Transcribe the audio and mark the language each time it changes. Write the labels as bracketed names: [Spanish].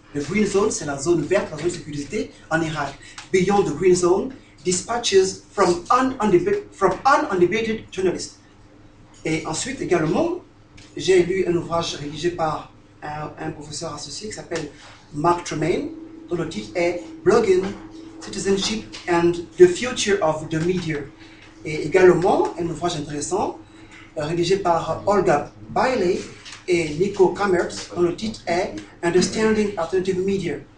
[French] The Green Zone, c'est la zone verte, la zone de sécurité en Irak. [English] Beyond the Green Zone, dispatches from undebated journalists. [French] Et ensuite, également, j'ai lu un ouvrage rédigé par un professeur associé qui s'appelle Mark Tremaine, dont le titre est [English] Blogging, Citizenship and the Future of the Media. [French] Et également, un ouvrage intéressant, rédigé par Olga Bailey et Nico Kammerts, dont le titre est [English] Understanding Alternative Media.